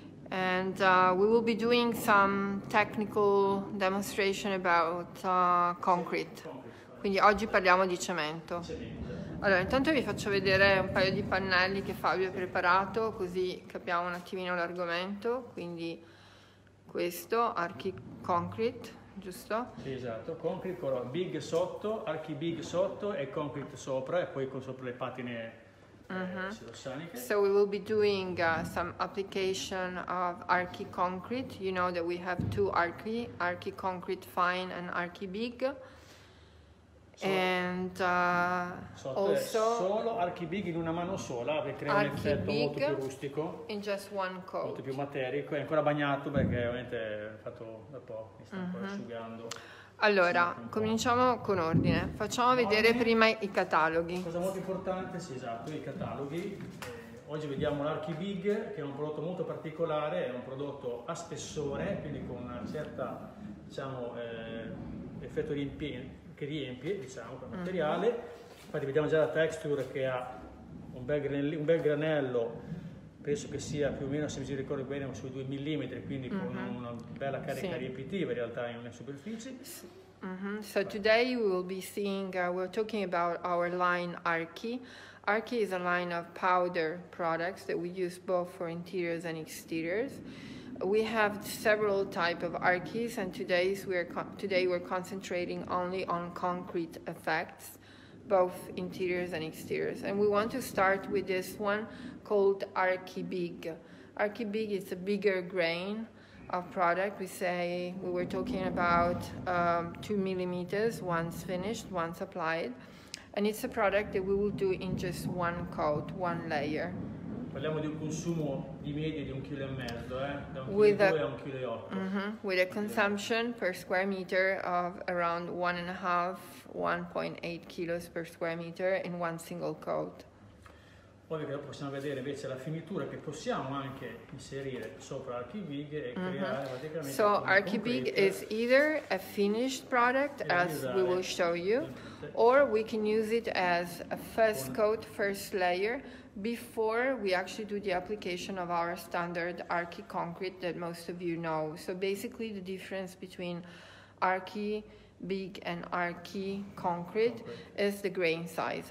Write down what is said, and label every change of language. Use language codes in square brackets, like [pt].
[en] And we will be doing some technical demonstration about concrete. [it] Quindi oggi parliamo di cemento. Allora, intanto vi faccio vedere un paio di pannelli che Fabio ha preparato, così capiamo un attimino l'argomento. Quindi questo, archi concrete, giusto? Sì, esatto, concrete con big sotto, archi big sotto e concrete sopra e poi con sopra le patine silossaniche. [en] So we will be doing some application of archi concrete. You know that we have two archi, archi concrete fine and archi big. And [it] also solo archi big in una mano sola, che crea un effetto molto più rustico, [en] in just one coat. [it] Molto più materico, è ancora bagnato perché ovviamente è fatto da poco, mi sta ancora asciugando. Allora, cominciamo con ordine, facciamo vedere prima i cataloghi. Cosa molto importante, sì, esatto, i cataloghi. Oggi vediamo l'archi big, che è un prodotto molto particolare, è un prodotto a spessore, quindi con una certa, diciamo, effetto riempimento, che riempie, diciamo, quel materiale. Infatti vediamo già la texture, che ha un bel granello, penso che sia più o meno, se mi ricordo bene, sui 2 mm, quindi con una bella carica riempitiva in realtà in una superficie. [en] So today we will be seeing, we're talking about our line Archi. Archi is a line of powder products that we use both for interiors and exteriors. We have several type of archis, and today we're concentrating only on concrete effects, both interiors and exteriors. And we want to start with this one called Archi Big. Archi Big is a bigger grain of product. We were talking about 2 millimeters once finished, once applied, and it's a product that we will do in just one coat, one layer. [it] Parliamo di un consumo di medio di 1,5 kg, da 1,2 kg a 1,8 kg. [en] With a consumption per square meter of around 1.8 kg per square meter in one single coat. [it] Poi possiamo vedere invece la finitura che possiamo anche inserire sopra Archi Big e creare praticamente. [en] So Archi Big is either a finished product, as we will show you, or we can use it as a first coat, first layer, before we actually do the application of our standard Archi concrete that most of you know. So basically the difference between Archi Big and Archi concrete is the grain size.